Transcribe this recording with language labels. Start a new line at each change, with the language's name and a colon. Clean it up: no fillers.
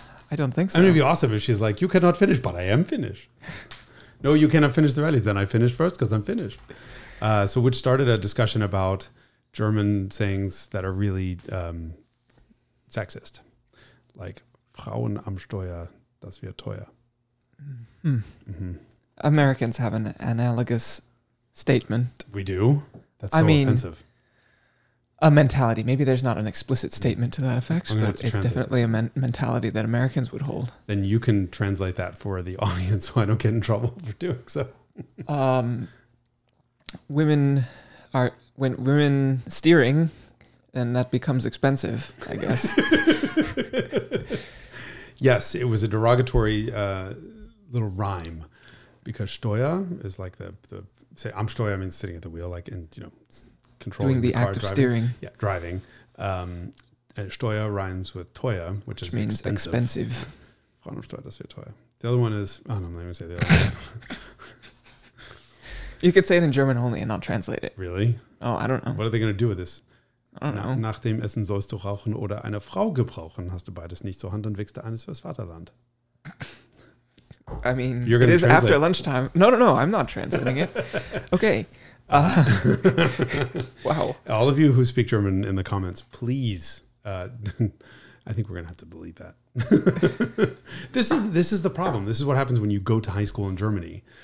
English: I don't think so. I mean, it'd be awesome if she's like, you cannot finish, but I am finish. No, you cannot finish the rally. Then I finish first because I'm finished. So which started a discussion about German sayings that are really sexist.
German: Like, Frauen am Steuer, das wird teuer. Hmm. Mm-hmm.
English: Americans have an analogous statement. We do? That's so offensive. A mentality. Maybe there's not an explicit statement to that effect, but it's definitely a mentality that Americans would hold. Then you can translate that for the audience so I don't get in trouble for doing so. When women steering, then that becomes expensive, I guess. Yes, it was a derogatory little rhyme because Steuer is like the say, am Steuer means sitting at the wheel, like, and, you know, controlling the act car, of steering. Yeah, driving. And Steuer rhymes with teuer, which is means expensive.
German: Frauen am Steuer, das wird teuer.
English: The other one is, oh, no, let me say the other one. You could say it in German only and not translate it. Really? Oh, I don't know. What are they going to do with this? I don't know.
German: Nach dem Essen sollst du rauchen oder eine Frau gebrauchen, hast du beides nicht zur Hand und wächst du eines fürs Vaterland.
English: I mean, it is translate. After lunchtime. No, I'm not translating it. Okay. wow. All of you who speak German in the comments, please. I think we're going to have to delete that. This is the problem. This is what happens when you go to high school in Germany.